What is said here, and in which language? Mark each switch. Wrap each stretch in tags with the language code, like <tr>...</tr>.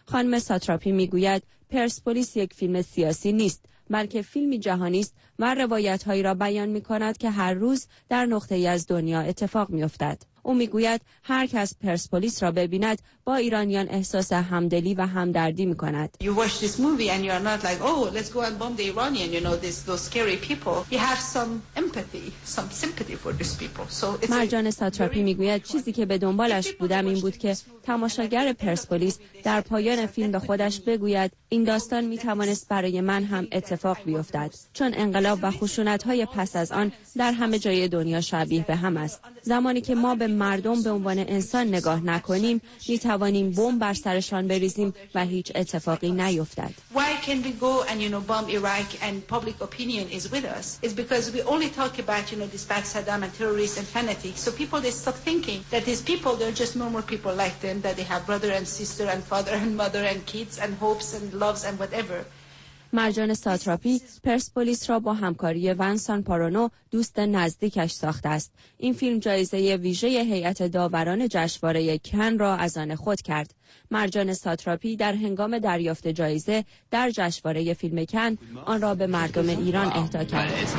<fa>خانم ساتراپی می‌گوید پرسپولیس یک فیلم سیاسی نیست، بلکه فیلمی جهانی است و روایت‌هایی را بیان می‌کند که هر روز در نقطه‌ای از دنیا اتفاق می‌افتد. او میگوید هر کس پرسپولیس را ببیند با ایرانیان احساس همدلی و همدردی میکند.</fa> <en>You watch this movie and you're not like, oh, let's go and bomb the Iranian, you know, those scary people. You have some empathy, some sympathy for these people. So it's</en> <fa>مرجان ساتراپی میگوید چیزی که به دنبالش بودم این بود که تماشاگر پرسپولیس در پایان فیلم به خودش بگوید این داستان میتوانست برای من هم اتفاق بیفتد، چون انقلاب و خشونت‌های پس از آن در همه جای دنیا شبیه به هم است. زمانی که ما به مردم به عنوان انسان نگاه نکنیم، میتوانیم بمب بر سرشان بریزیم و هیچ اتفاقی نیفتد.</fa> <en>Why can we go and you know bomb Iraq and public opinion is with us? It's because we only talk about you know this bad Saddam and terrorists and fanatics. So people they stop thinking that these people they're just normal people like them, that they have brother and sister and father and mother and kids and hopes and loves and whatever.</en> <fa>مرجان ساتراپی پرسپولیس را با همکاری ونسان پارونو دوست نزدیکش ساخته است. این فیلم جایزه ویژه هیئت داوران جشنواره کن را از آن خود کرد. مرجان ساتراپی در هنگام دریافت جایزه در جشنواره فیلم کن آن را به مردم ایران اهدا کرد.</fa>